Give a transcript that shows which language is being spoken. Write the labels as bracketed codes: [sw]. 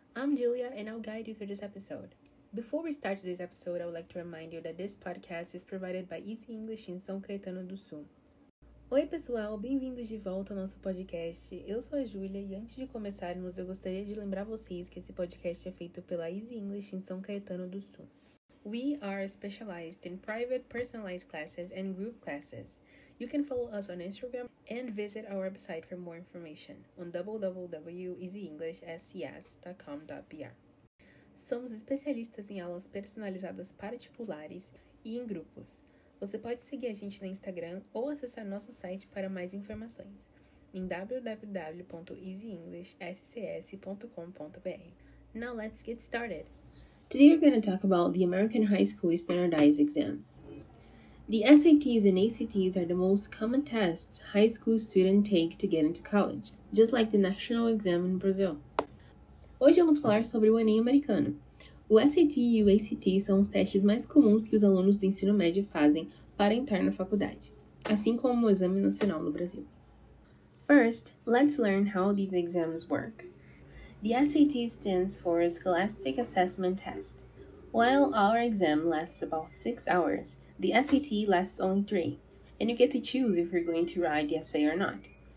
[en] I'm Julia and I'll guide you through this episode. Before we start today's episode, I would like to remind you that this podcast is provided by Easy English in São Caetano do Sul. [pt] Oi pessoal, bem-vindos de volta ao nosso podcast. Eu sou a Julia e antes de começarmos, eu gostaria de lembrar vocês que esse podcast é feito pela Easy English in São Caetano do Sul. [en] We are specialized in private personalized classes and group classes. You can follow us on Instagram and visit our website for more information on www.easyenglishscs.com.br. [pt] Somos especialistas em aulas personalizadas particulares e em grupos. Você pode seguir a gente no Instagram ou acessar nosso site para mais informações em www.easyenglishscs.com.br. [en] Now let's get started! Today we're going to talk about the American High School Standardized Exam. The SATs and ACTs are the most common tests high school students take to get into college, just like the national exam in Brazil. [pt] Hoje vamos falar sobre o Enem americano. O SAT e o ACT são os testes mais comuns que os alunos do ensino médio fazem para entrar na faculdade, assim como o Exame Nacional no Brasil. [en] First, let's learn how these exams work. The SAT stands for Scholastic Assessment Test. While our exam lasts about 6 hours, the SAT lasts only 3, and you get to choose if you're going to write the essay or not.